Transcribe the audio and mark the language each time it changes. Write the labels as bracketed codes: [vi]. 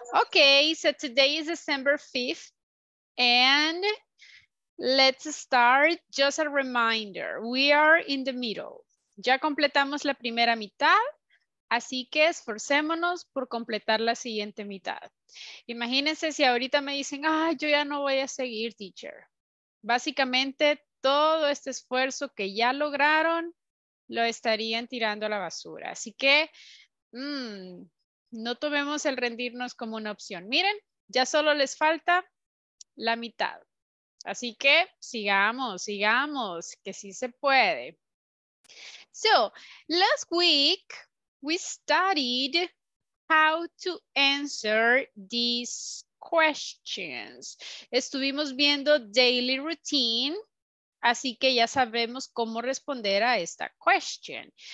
[en] Okay, so today is December 5th and let's start. Just a reminder, we are in the middle. [es] Ya completamos la primera mitad, así que esforcémonos por completar la siguiente mitad. Imagínense si ahorita me dicen, ah, yo ya no voy a seguir, teacher. Básicamente, todo este esfuerzo que ya lograron, lo estarían tirando a la basura. Así que, no tomemos el rendirnos como una opción. Miren, ya solo les falta la mitad. Así que sigamos, sigamos, que sí se puede. [en] So, last week, we studied how to answer these questions. [es] Estuvimos viendo daily routine, así que ya sabemos cómo responder a esta question.